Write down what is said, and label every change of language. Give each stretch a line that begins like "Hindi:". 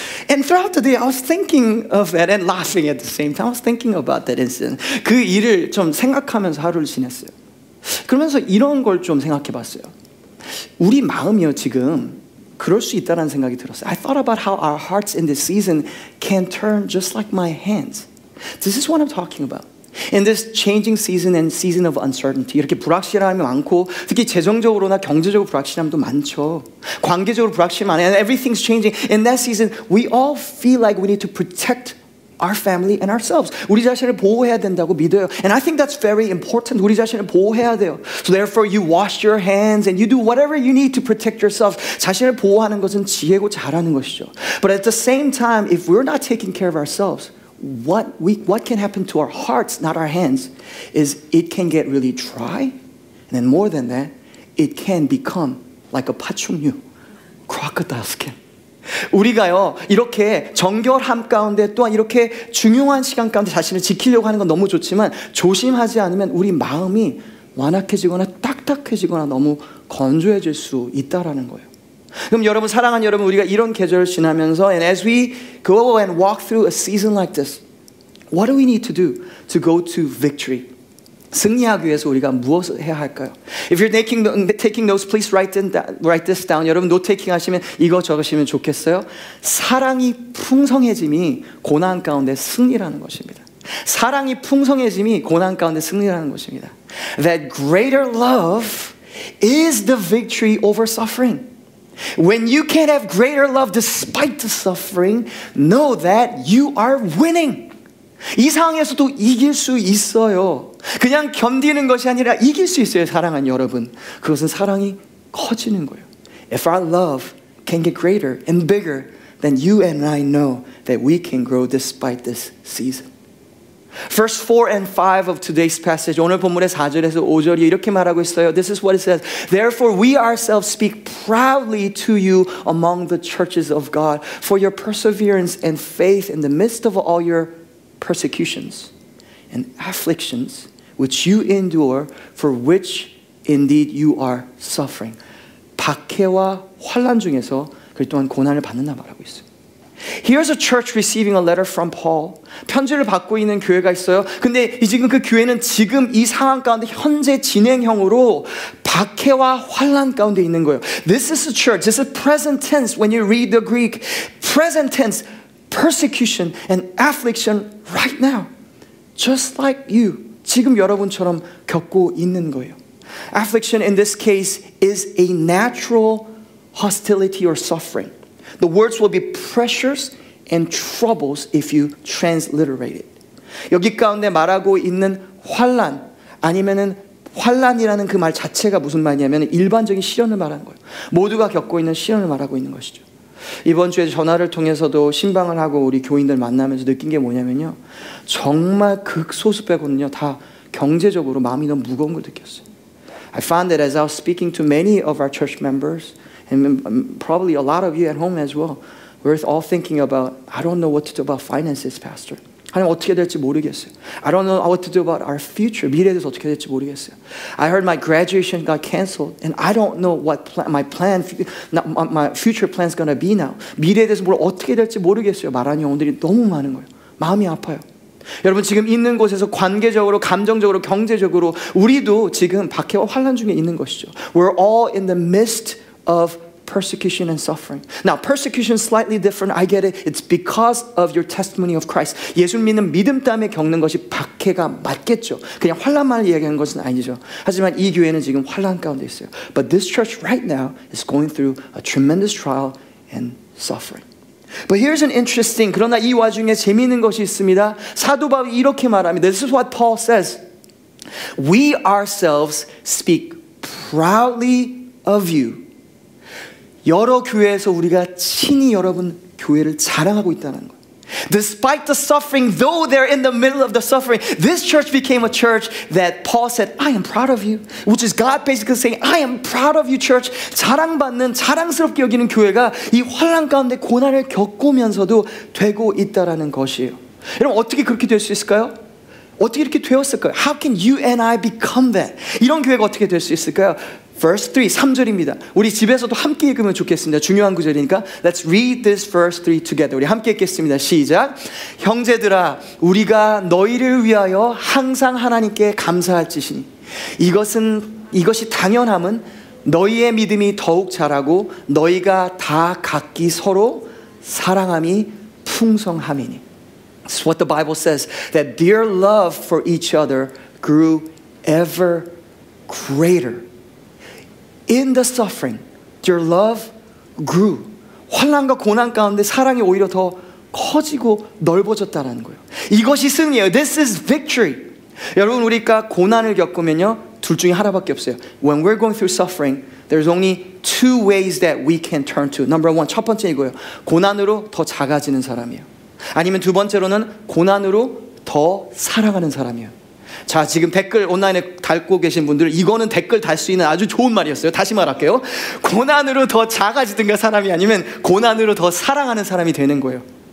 English: And throughout the day, I was thinking of that and laughing at the same time. I was thinking about that incident.
Korean: 그 일을 좀 생각하면서 하루를 지냈어요. 그러면서 이런 걸 좀 생각해봤어요. 우리 마음이요, 지금 그럴 수 있다라는 생각이 들었어요.
English: I thought about how our hearts in this season can turn just like my hands. This is what I'm talking about. In this changing season and season of uncertainty,
Korean: 이렇게 불확실함이 많고 특히 재정적으로나 경제적으로 불확실함도 많죠. 관계적으로 불확실함 많아요.
English: And everything's changing. In that season, we all feel like we need to protect our family and ourselves.
Korean: 우리 자신을 보호해야 된다고 믿어요.
English: And I think that's very important.
Korean: 우리 자신을 보호해야 돼요.
English: So therefore, you wash your hands and you do whatever you need to protect yourself.
Korean: 자신을 보호하는 것은 지혜고 잘하는 것이죠.
English: But at the same time, if we're not taking care of ourselves, What can happen to our hearts, not our hands, is it can get really dry, and then more than that, it can become like a 파충류, crocodile skin.
Korean: 우리가요 이렇게 정결함 가운데 또한 이렇게 중요한 시간 가운데 자신을 지키려고 하는 건 너무 좋지만 조심하지 않으면 우리 마음이 완악해지거나 딱딱해지거나 너무 건조해질 수 있다라는 거예요. 그럼 여러분 사랑하는 여러분 우리가 이런 계절을 지나면서
English: and as we go and walk through a season like this what do we need to do to go to victory
Korean: 승리하기 위해서 우리가 무엇을 해야 할까요
English: if you're taking notes please write this down
Korean: 여러분 note taking 하시면 이거 적으시면 좋겠어요 사랑이 풍성해짐이 고난 가운데 승리라는 것입니다 사랑이 풍성해짐이 고난 가운데 승리라는 것입니다
English: that greater love is the victory over suffering When you can't have greater love despite the suffering, know that you are winning.
Korean: 이 상황에서도 이길 수 있어요. 그냥 견디는 것이 아니라 이길 수 있어요, 사랑한 여러분. 그것은 사랑이 커지는 거예요.
English: If our love can get greater and bigger, then you and I know that we can grow despite this season. Verse 4 and 5 of today's passage,
Korean: 오늘 본문의 4절에서 5절이 이렇게 말하고 있어요.
English: This is what it says. Therefore, we ourselves speak proudly to you among the churches of God for your perseverance and faith in the midst of all your persecutions and afflictions which you endure, for which indeed you are suffering.
Korean: 박해와 환난 중에서 그 또한 고난을 받는다 말하고 있어요.
English: Here's a church receiving a letter from Paul.
Korean: 편지를 받고 있는 교회가 있어요. 근데 지금 그 교회는 지금 이 상황 가운데 현재 진행형으로 박해와 환난 가운데 있는 거예요.
English: This is a church. This is present tense when you read the Greek. Present tense. Persecution and affliction right now. Just like you.
Korean: 지금 여러분처럼 겪고 있는 거예요.
English: Affliction in this case is a natural hostility or suffering. The words will be pressures and troubles if you transliterate it.
Korean: 여기 가운데 말하고 있는 환난 아니면은 환난이라는 그 말 자체가 무슨 말이냐면 일반적인 시련을 말하는 거예요. 모두가 겪고 있는 시련을 말하고 있는 것이죠. 이번 주에 전화를 통해서도 신방을 하고 우리 교인들 만나면서 느낀 게 뭐냐면요. 정말 극소수 빼고는요. 다 경제적으로 마음이 너무 무거운 걸 느꼈어요.
English: I found that as I was speaking to many of our church members, and probably a lot of you at home as well, we're all thinking about, I don't know what to do about finances, Pastor.
Korean: 하나님 어떻게 될지 모르겠어요.
English: I don't know what to do about our future.
Korean: 미래에 대해서 어떻게 될지 모르겠어요.
English: I heard my graduation got canceled, and I don't know what my future plan is going to be now.
Korean: 미래에 대해서 뭘 어떻게 될지 모르겠어요. 말하는 영혼들이 너무 많은 거예요. 마음이 아파요. 여러분 지금 있는 곳에서 관계적으로 감정적으로 경제적으로 우리도 지금 박해와 환난 중에 있는 것이죠.
English: We're all in the midst of persecution and suffering. Now, persecution is slightly different. I get it. It's because of your testimony of Christ.
Korean: 예수 믿는 믿음 때문에 겪는 것이 박해가 맞겠죠. 그냥 환란만을 이야기하는 것은 아니죠. 하지만 이 교회는 지금 환란 가운데 있어요.
English: But this church right now is going through a tremendous trial and suffering. But here's an interesting,
Korean: 그러나 이 와중에 재미있는 것이 있습니다. 사도 바울이 이렇게 말합니다.
English: This is what Paul says. We ourselves speak proudly of you.
Korean: 여러 교회에서 우리가 친히 여러분 교회를 자랑하고 있다는 거예요.
English: Despite the suffering, though they're in the middle of the suffering, this church became a church that Paul said, I am proud of you. Which is God basically saying, I am proud of you, church.
Korean: 자랑받는, 자랑스럽게 여기는 교회가 이 환난 가운데 고난을 겪으면서도 되고 있다는 것이에요. 여러분 어떻게 그렇게 될 수 있을까요? 어떻게 이렇게 되었을까요?
English: How can you and I become that?
Korean: 이런 교회가 어떻게 될 수 있을까요?
English: Verse 3,
Korean: 3절입니다. 우리 집에서도 함께 읽으면 좋겠습니다. 중요한 구절이니까.
English: Let's read this verse 3 together.
Korean: 우리 함께 읽겠습니다. 시작. 형제들아, 우리가 너희를 위하여 항상 하나님께 감사할지니. 이것이 당연함은 너희의 믿음이 더욱 자라고 너희가 다 각기 서로 사랑함이 풍성함이니.
English: This is what the Bible says, that their love for each other grew ever greater. In the suffering, your love grew.
Korean: 환난과 고난 가운데 사랑이 오히려 더 커지고 넓어졌다라는 거예요. 이것이 승리예요.
English: This is victory.
Korean: 여러분 우리가 고난을 겪으면요, 둘 중에 하나밖에 없어요.
English: When we're going through suffering, there's only two ways that we can turn to. Number one,
Korean: 첫 번째 이거예요. 고난으로 더 작아지는 사람이에요. 아니면 두 번째로는 고난으로 더 사랑하는 사람이에요. 자 지금 댓글 온라인에 달고 계신 분들 이거는 댓글 달 수 있는 아주 좋은 말이었어요. 다시 말할게요. 고난으로 더 작아지든가 사람이 아니면 고난으로 더 사랑하는 사람이 되는 거예요.